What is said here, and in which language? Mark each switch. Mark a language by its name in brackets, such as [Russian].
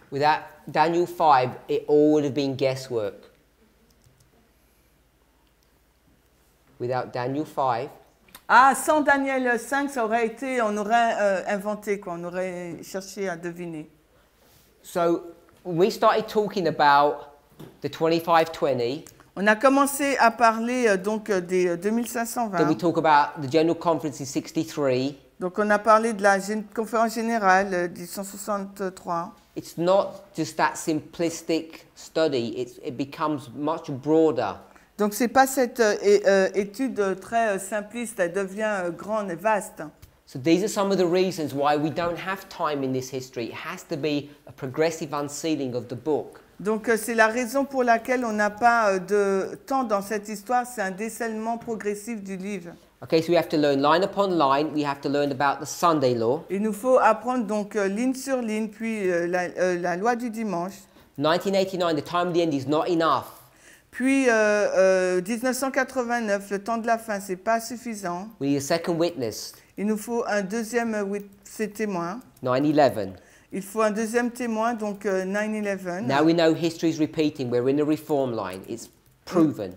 [English] Without Daniel 5, it all would have been guesswork. Without Daniel 5. [French] Ah, sans Daniel 5, ça aurait été, on aurait inventé quoi, on aurait cherché à deviner. [English] So, we started talking about the 2520. [French] On a commencé à parler donc des 2520. [English] Then we talk about the General Conference in 63. [French] Donc on a parlé de la conférence générale 1863. [English] It's not just that simplistic study, it becomes much broader. [French] Donc c'est pas cette étude très simpliste, elle devient grande et vaste. [English] So these are some of the reasons why we don't have time in this history. It has to be a progressive unsealing of the book. [French] Donc c'est la raison pour laquelle on n'a pas de temps dans cette histoire, c'est un décèlement progressif du livre. [English] Okay, so we have to learn line upon line. We have to learn about the Sunday law. [French] Il nous faut apprendre donc ligne sur ligne, puis la loi du dimanche. [English] 1989, the time of the end is not enough. [French] Puis 1989, le temps de la fin, c'est pas suffisant. [English] We need a second witness. [French] Il nous faut un deuxième témoin. [English] 9/11. [French] Il faut un deuxième témoin, donc 9/11. [English] Now we know history is repeating. We're in the reform line. It's proven.